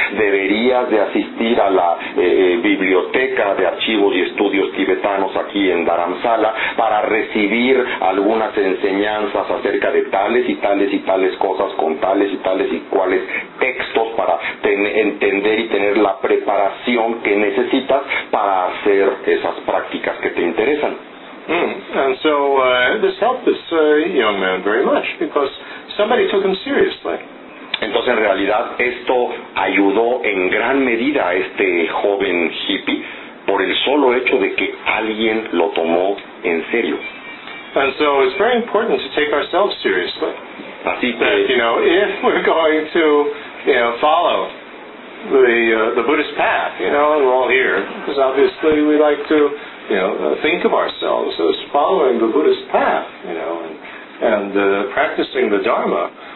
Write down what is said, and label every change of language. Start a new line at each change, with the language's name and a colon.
Spanish: deberías de asistir a la biblioteca de archivos y estudios tibetanos aquí en Dharamsala para recibir algunas enseñanzas acerca de tales y tales y tales cosas con tales y tales y cuales textos para entender y tener la preparación que necesitas para hacer esas prácticas que te interesan.
English: And so this helped this young man very much because somebody took him seriously.
Spanish: Entonces, en realidad, esto ayudó en gran medida a este joven hippie por el solo hecho de que alguien lo tomó en serio.
English: And so it's very important to take ourselves seriously.
Spanish: Así que,
English: that, you know, if we're going to, you know, follow the Buddhist path, you know, and we're all here because obviously we like to, you know, think of ourselves as following the Buddhist path, you know, and practicing the Dharma.